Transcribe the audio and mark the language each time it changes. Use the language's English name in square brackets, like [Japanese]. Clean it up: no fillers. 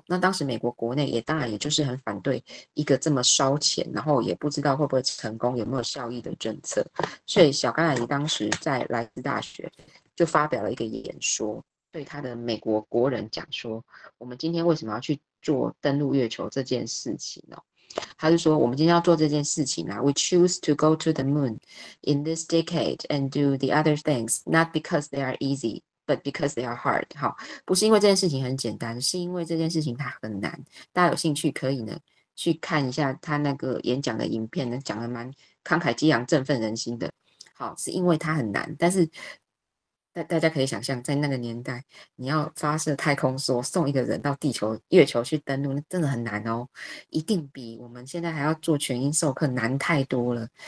[Chinese] 那当时美国国内也当然也就是很反对一个这么烧钱然后也不知道会不会成功有没有效益的政策，所以小甘乃迪当时在莱斯大学就发表了一个演说，对他的美国国人讲说，我们今天为什么要去做登陆月球这件事情呢？他就说，我们今天要做这件事情啊， [English] We choose to go to the moon in this decade and do the other things, not because they are easy, but because they are hard. [Chinese] 好，不是因为这件事情很简单，是因为这件事情它很难。大家有兴趣可以呢去看一下他那个演讲的影片呢，讲得蛮慷慨激昂、振奋人心的。好，是因为它很难，但是大家可以想象，在那个年代，你要发射太空梭送一个人到地球、月球去登陆，那真的很难哦，一定比我们现在还要做全英授课难太多了。